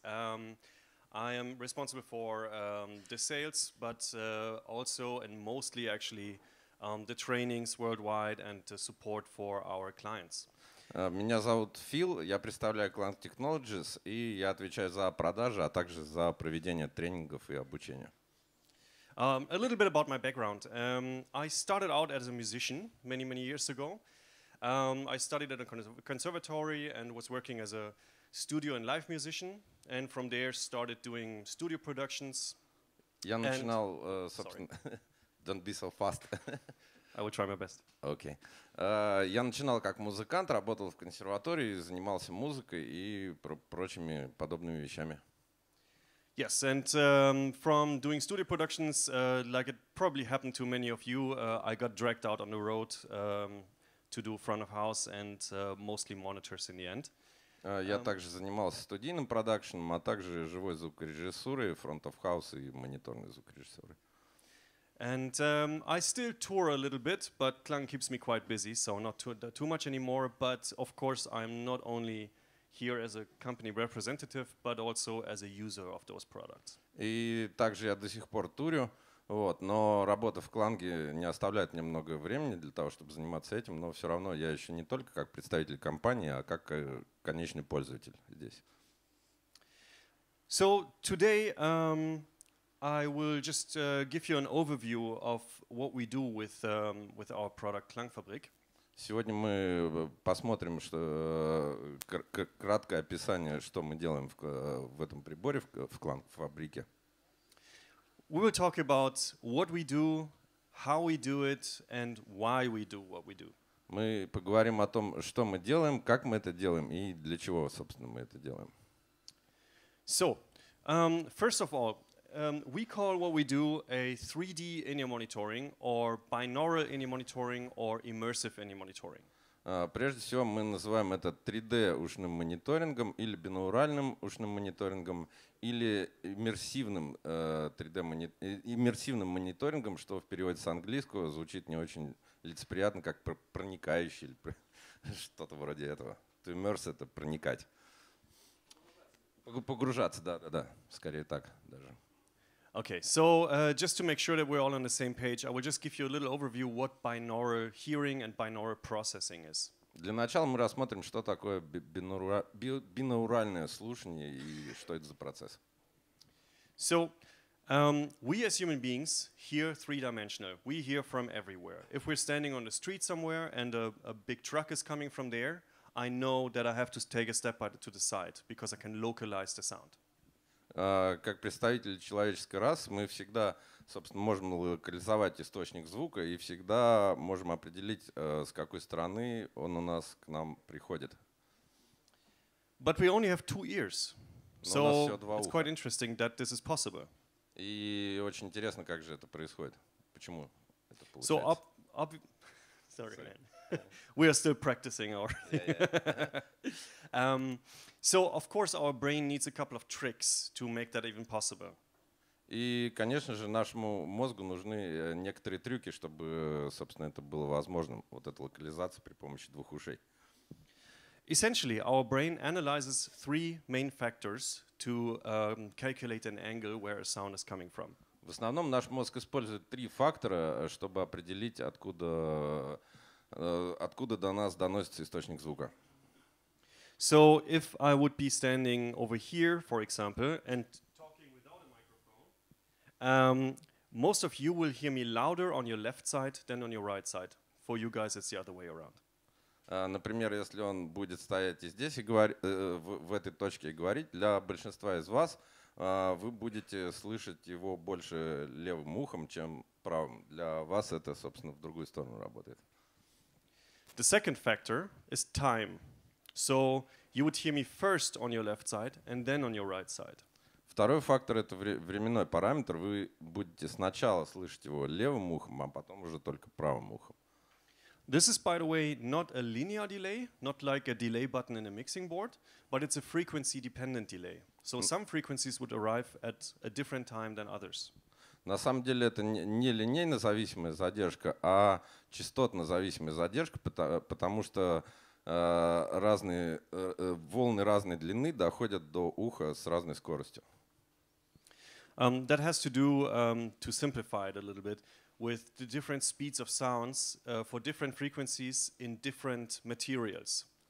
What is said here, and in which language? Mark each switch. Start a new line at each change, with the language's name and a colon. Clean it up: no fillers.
English: I am responsible for the sales, but also and mostly actually the trainings worldwide and the support for our clients.
Russian: Меня зовут Фил, я представляю KLANG Technologies, и я отвечаю за продажи, а также за проведение тренингов и обучения.
English: A little bit about my background. I started out as a musician many, many years ago. I studied at a conservatory and was working as a studio and live musician, and from there started doing studio productions.
Russian: Я начинал, собственно...
English: Don't be so fast. I will try my best. Okay.
Russian: Я начинал как музыкант, работал в консерватории, занимался музыкой и прочими подобными вещами.
English: Yes, and from doing studio productions, like it probably happened to many of you, I got dragged out on the road to do front of house and mostly monitors in the end.
Russian: Я также занимался студийным продакшеном, а также живой звукорежиссурой, front of house и мониторной звукорежиссурой.
English: And I still tour a little bit, but KLANG keeps me quite busy, so not too much anymore. But of course, I'm not only here as a company representative, but also as a user of those products.
Russian: И также я до сих пор турю, вот, но работа в KLANG не оставляет мне много времени для того, чтобы заниматься этим, но все равно я еще не только как представитель компании, а как конечный пользователь здесь.
English: So today... I will just give you an overview of what we do with with our product KLANGfabrik.
Russian: Сегодня мы посмотрим, что краткое описание, что мы делаем в этом приборе в KLANGfabrik.
English: We will talk about what we do, how we do it, and why we do what we do.
Russian: Мы поговорим о том, что мы делаем, как мы это делаем и для чего, собственно, мы это делаем.
English: So, first of all. We call what we do a 3D in-ear monitoring, or binaural in-ear monitoring, or immersive in-ear monitoring.
Russian: Прежде всего мы называем это 3D ушным мониторингом или бинауральным ушным мониторингом или иммерсивным 3D иммерсивным мониторингом, что в переводе с английского звучит не очень лицеприятно, как проникающий или что-то вроде этого.
English: To immerse
Russian: — это проникать, погружаться, да, скорее так даже.
English: Okay, so just to make sure that we're all on the same page, I will just give you a little overview what binaural hearing and binaural processing is.
Russian: Для начала мы рассмотрим, что такое бинауральное слушание и что это за процесс.
English: So, we as human beings hear three-dimensional. We hear from everywhere. If we're standing on the street somewhere and a big truck is coming from there, I know that I have to take a step to the side because I can localize the sound.
Russian: Как представители человеческой расы, мы всегда, собственно, можем локализовать источник звука и всегда можем определить, с какой стороны он у нас к нам приходит.
English: But we only have two ears. So it's quite interesting that this is possible.
Russian: И очень интересно, как же это происходит. Почему это получается?
English: Sorry, man. We are still practicing our So, of course, our brain needs a couple of tricks to make that even possible.
Russian: И, конечно же, нашему мозгу нужны некоторые трюки, чтобы, собственно, это было возможным, вот эта локализация при помощи двух ушей.
English: Essentially, our brain analyzes three main factors to calculate an angle where a sound is coming from.
Russian: В основном наш мозг использует три фактора, чтобы определить, откуда до нас доносится источник звука.
English: So if I would be standing over here, for example, and talking without a microphone, most of you will hear me louder on your left side than on your right side. For you guys, it's the other way around.
Russian: Например, если он будет стоять здесь и в этой точке и говорить, для большинства из вас вы будете слышать его больше левым ухом, чем правым. Для вас это, собственно, в другую сторону работает.
English: The second factor is time. So you would hear me first on your left side and then on your right side.
Russian: Второй фактор — это временной параметр. Вы будете сначала слышать его левым ухом, а потом уже только правым ухом.
English: This is, by the way, not a linear delay, not like a delay button in a mixing board, but it's a frequency-dependent delay. So some frequencies would arrive at a different time than others.
Russian: На самом деле это не линейно зависимая задержка, а частотно зависимая задержка, потому что волны разной длины доходят до уха с разной скоростью.
English: That has to do, to simplify it a little bit, with the different speeds of sounds for different frequencies in different materials.